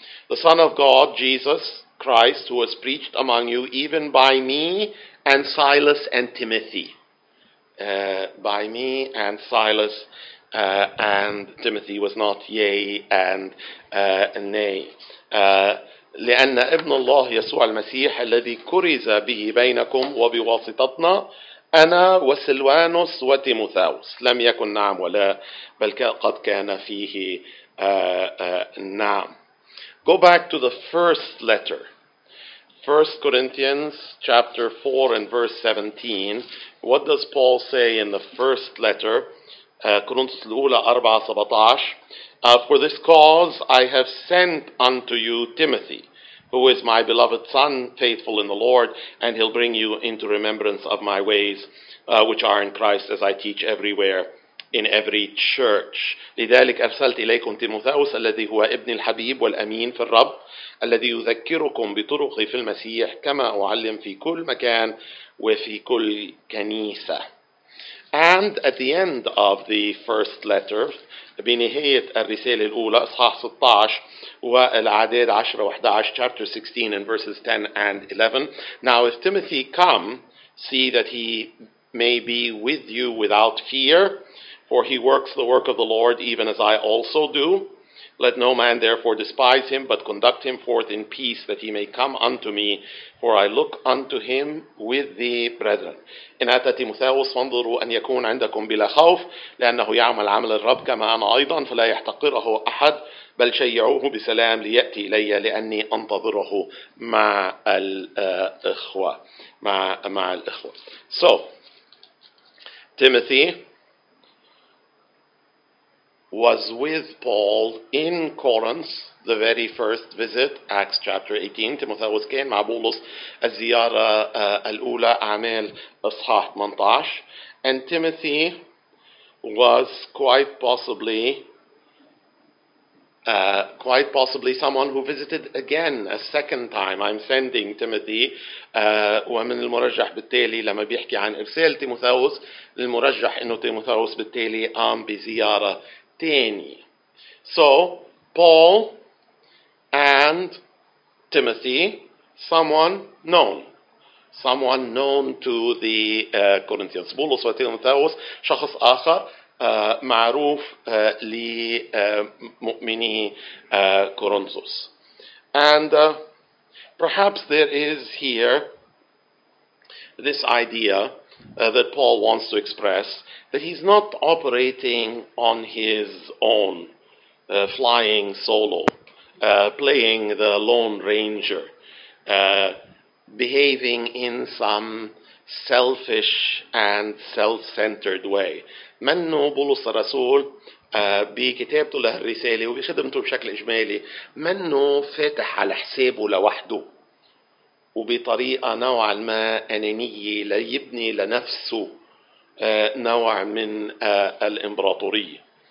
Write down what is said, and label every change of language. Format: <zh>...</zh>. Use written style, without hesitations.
<en>The Son of God, Jesus Christ, who was preached among you, even by me and Silas and Timothy. By me and Silas and Timothy was not yea and nay.</en> <ar>لأن ابن الله يسوع المسيح الذي كرز به بينكم وبواسطتنا أنا وسلوانوس وتيموثاوس لم يكن نعم ولا بل قد كان فيه نعم</ar> <en>Go back to the first letter 1 Corinthians chapter 4 and verse 17. What does Paul say in the first letter? Corinthians 4, 17. For this cause I have sent unto you Timothy, who is my beloved son, faithful in the Lord, and he'll bring you into remembrance of my ways, which are in Christ, as I teach everywhere in every church.</en> <ar>لذلك أرسلت إليكم تيموثاوس الذي هو ابن الحبيب والأمين في الرب الذي يذكركم بطرقي في المسيح كما أعلم في كل مكان وفي كل كنيسة.</ar> <en>And at the end of the first letter,</en> <ar>بنهاية الرسالة الأولى إصحاح 16 والعدد 10 و 11,</ar> <en>chapter 16 and verses 10 and 11. Now if Timothy come, see that he may be with you without fear, for he works the work of the Lord even as I also do. Let no man therefore despise him, but conduct him forth in peace, that he may come unto me, for I look unto him with the brethren.</en> <ar>إن أتى تيموثاوس فانظروا أن يكون عندكم بلا خوف لأنه يعمل عمل الرب كما أنا أيضا فلا يحتقره أحد بل شيعوه بسلام ليأتي إلي لأني أنتظره مع الإخوة مع الإخوة.</ar> <en>So Timothy was with Paul in Corinth the very first visit, Acts chapter 18.</en> <ar>Timotheus كان مع بولس الزيارة الأولى أعمال إصحاح 18.</ar> <en>And Timothy was quite possibly someone who visited again a second time. I'm sending Timothy.</en> <ar>ومن المرجح بالتالي لما بيحكي عن إرسال تيموثاوس المرجح إنه تيموثاوس بالتالي قام بزيارة تاني.</ar> <en>So Paul and Timothy, someone known to the Corinthians.</en> <ar>بولس وتيموثاوس شخص آخر معروف لمؤمني كورنثوس.</ar> <en>And perhaps there is here this idea that Paul wants to express, that he's not operating on his own, flying solo, playing the Lone Ranger, behaving in some selfish and self-centered way.</en> <ar>منه بولس الرسول بكتابته للرسالة وبخدمته بشكل إجمالي منه فاتح على حسابه لوحده وبطريقة نوعا ما أنانية ليبني لنفسه نوع من الإمبراطورية.</ar>